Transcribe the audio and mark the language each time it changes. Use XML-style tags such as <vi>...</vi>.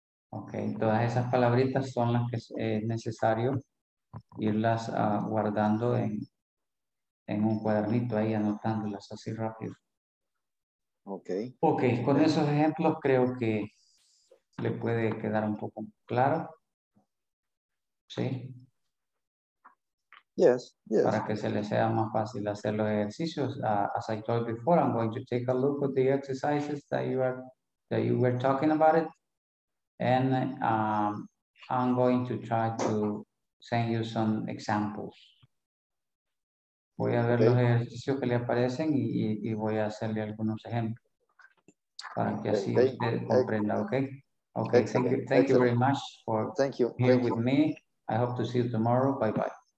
<es>Ok, todas esas palabritas son las que es necesario irlas guardando en un cuadernito ahí, anotándolas así rápido. Ok. Ok, con esos ejemplos creo que le puede quedar un poco claro. ¿Sí?</es> <en>Yes, yes.</en> <es>Para que se les sea más fácil hacer los ejercicios.</es> <en>As I told before, I'm going to take a look at the exercises that you were talking about it. And I'm going to try to send you some examples.</en> <es>Voy a ver los ejercicios que le aparecen y voy a hacerle algunos ejemplos para que así usted comprenda, okay?</es> <en>Okay, thank you very much for thank you being with me. I hope to see you tomorrow. Bye-bye.</en>